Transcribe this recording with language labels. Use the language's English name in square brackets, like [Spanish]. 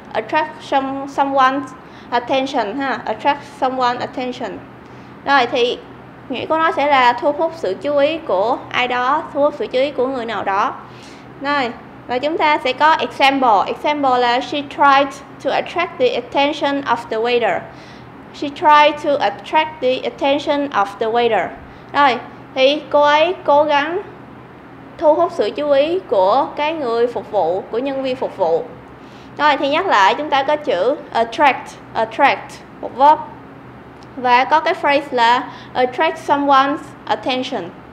[English] Attract someone's attention ha, attract someone's attention. [Vietnamese] Rồi, thì nghĩa của nó sẽ là thu hút sự chú ý của ai đó, thu hút sự chú ý của người nào đó. Rồi, và chúng ta sẽ có example là [English] she tried to attract the attention of the waiter. She tried to attract the attention of the waiter. [Vietnamese] Rồi, thì cô ấy cố gắng thu hút sự chú ý của cái người phục vụ, của nhân viên phục vụ. Rồi, thì nhắc lại chúng ta có chữ attract, một verb. Và có cái phrase là [English] attract someone's attention.